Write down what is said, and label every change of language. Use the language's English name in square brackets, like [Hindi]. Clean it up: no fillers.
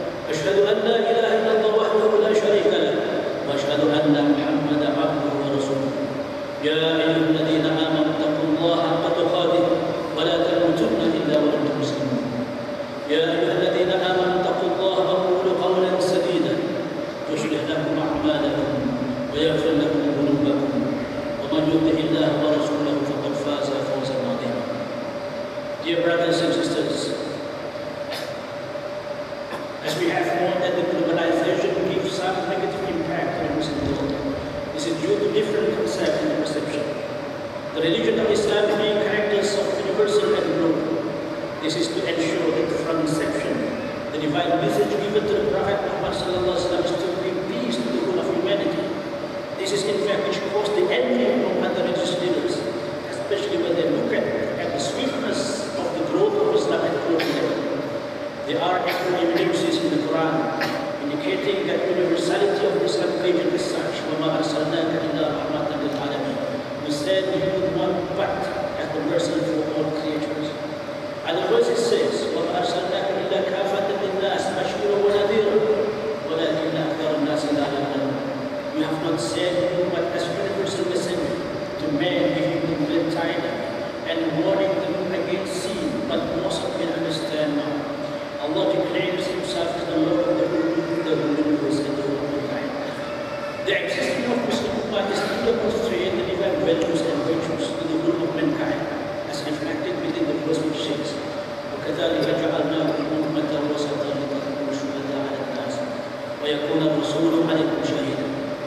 [Arabic] أشهد أن لا إله إلا الله وحده لا شريك له، وأشهد أن محمدا عبده ورسوله. يا أيها الذين آمنوا اتقوا الله حق تقاته ولا تموتن إلا وأنتم مسلمون. يا أيها الذين آمنوا اتقوا الله وقولوا قولا سديدا يصلح لكم أعمالكم ويغفر لكم ذنوبكم، ومن يطع الله ورسوله فقد فاز فوزا عظيما. [English] Dear brothers and sisters, as we have known that the globalization gives some negative impact on Muslim world, this is due to different concept and perception. The religion of Islam being characters of universal and global, this is to ensure that from inception, the divine message given to the Prophet Muhammad sallallahu alaihi wasallam is to bring peace to the whole of humanity. This is in fact which caused the envy of other religious leaders, especially when they look at the sweetness of the growth of Islam at global level. There are actual evidences in the Quran indicating that universality of Islam religion is such, [Arabic] وَمَا أَرْسَلْنَاكَ إِلَّا رَحْمَةً لِلْعَالَمِينَ. [English] We said we would want but as the mercy for all creatures. And the verse says, [Arabic] وَمَا أَرْسَلْنَاكَ إِلَّا كَافَةً لِلنَّاسِ بَشِيرًا وَنَذِيرًا وَلَكِنَّ أَكْثَرَ النَّاسِ لَا يَعْلَمُونَ. [English] We have not said you but as universal messenger to men, giving them good tidings and warning them against sin, but most of them understand now. Allah declares Himself as the Lord of the world, the universe, and the world of mankind. The existence of Muslim Ummah is to demonstrate the divine values and virtues to the world of mankind, as reflected within the verse which says, [Arabic] وَكَذَلِكَ جَعَلْنَاكُمْ أُمَّةً وَسَطًا لِتَكُونُوا شُهَدَاءَ عَلَى النَّاسِ وَيَكُونَ الرَّسُولُ عَلَيْكُمْ شَهِيدًا.